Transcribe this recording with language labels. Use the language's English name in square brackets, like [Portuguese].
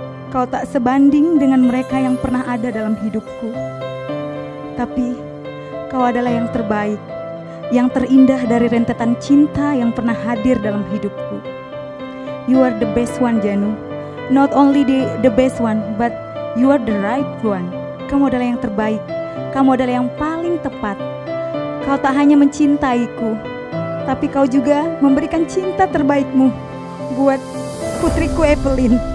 [Indonesian] Kau tak sebanding dengan mereka yang pernah ada dalam hidupku. Tapi kau adalah yang terbaik, yang terindah dari rentetan cinta yang pernah hadir dalam hidupku. [English] You are the best one, Janu. Not only the best one, but you are the right one. [Indonesian] Kamu adalah yang terbaik. Kamu adalah yang paling tepat. Kau tak hanya mencintaiku, tapi kau juga memberikan cinta terbaikmu buat putriku Evelyn.